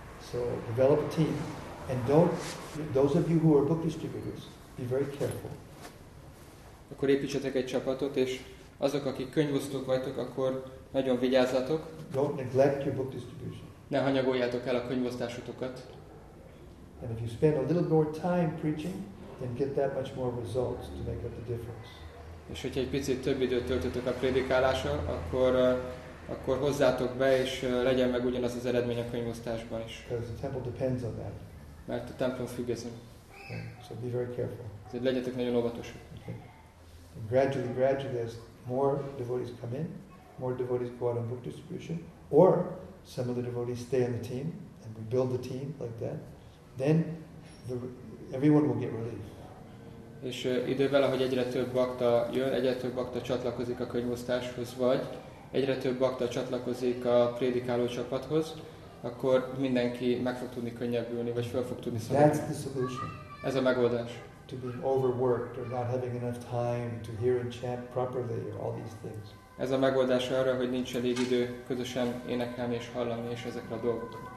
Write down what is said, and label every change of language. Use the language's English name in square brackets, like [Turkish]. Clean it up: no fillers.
[English] So develop a team, and don't those of you who are book distributors be very careful. [Hungarian] Akkor építsetek egy csapatot, és azok, akik könyvosztók vagytok, akkor nagyon vigyázzatok. [English] Don't neglect your book distribution. [Hungarian] Ne hanyagoljátok el a könyvosztásotokat. [English] And if you spend a little more time preaching, then get that much more results to make up the difference. [Hungarian] És hogyha egy picit több időt töltötök a prédikálással, akkor akkor hozzátok be, és legyen meg ugyanaz az eredmény a könyvosztásban is. [English] Because the temple depends on that. [Hungarian] Mert a templom függ ezen. [English] Okay. So be very careful. [Hungarian] Tehát legyetek nagyon óvatosak. [English] Okay. Gradually, as more devotees come in, more devotees go out on book distribution, or some of the devotees stay on the team, and we build the team like that, then everyone will get relief. [Hungarian] És idővel, ahogy egyre több bakta jön, egyre több bakta csatlakozik a könyvosztáshoz, vagy egyre több bakta csatlakozik a prédikáló csapathoz, akkor mindenki meg fog tudni könnyebbülni, vagy fel fog tudni szabadulni. [English] That's the solution. [Hungarian] Ez a megoldás. [English] To be overworked or not having enough time to hear and chant properly or all these things. [Hungarian] Ez a megoldás arra, hogy nincs elég idő közösen énekelni és hallani és ezekre a dolgok.